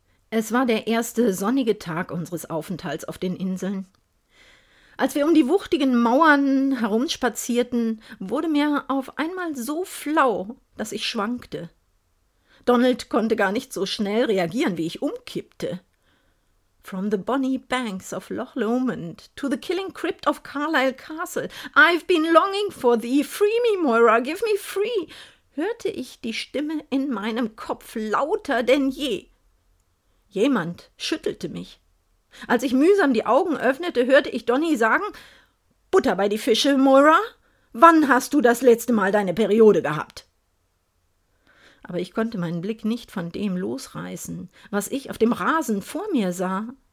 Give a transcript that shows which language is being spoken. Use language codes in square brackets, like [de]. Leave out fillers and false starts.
[de] Es war der erste sonnige Tag unseres Aufenthalts auf den Inseln. Als wir um die wuchtigen Mauern herumspazierten, wurde mir auf einmal so flau, dass ich schwankte. Donald konnte gar nicht so schnell reagieren, wie ich umkippte. [en] From the bonny banks of Loch Lomond to the killing crypt of Carlisle Castle, I've been longing for thee. Free me, Moira, give me free, [de] hörte ich die Stimme in meinem Kopf lauter denn je. Jemand schüttelte mich. Als ich mühsam die Augen öffnete, hörte ich Donny sagen, »Butter bei die Fische, Moira! Wann hast du das letzte Mal deine Periode gehabt?« Aber ich konnte meinen Blick nicht von dem losreißen, was ich auf dem Rasen vor mir sah.